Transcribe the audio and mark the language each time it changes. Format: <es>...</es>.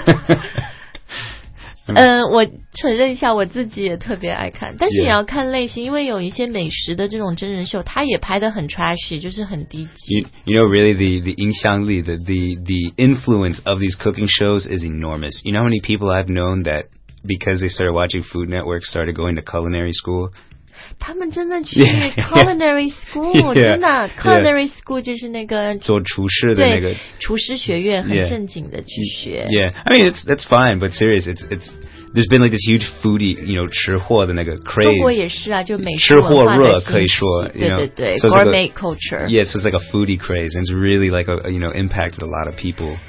<zh>我承认一下我自己也特别爱看但是也要看类型、</zh> <en>yeah.</en> <zh>因为有一些美食的这种真人秀它也拍得很 trashy 就是很低级</zh> <en>you know really the</en> <zh>影响力</zh> <en>the influence of these cooking shows is enormous you know how many people I've known that because they started watching Food Network started going to culinary school</en> <zh>他们真的去 culinary school</zh> <en>yeah, yeah,</en> <zh>真的 culinary school 就是那个做厨师的那个厨师学院很正经的去学</zh> <en>yeah I mean it's fine but serious it's there's been like this huge foodie you know</en> <zh>吃货的那个</zh> <en>craze</en> <zh>中国也是啊就美食文化的兴起吃货热可以说</zh> <en>you know,</en> <zh>对对对</zh> <en>gourmet、so like、culture yeah so it's like a foodie craze and it's really like a, you know impacted a lot of people</en>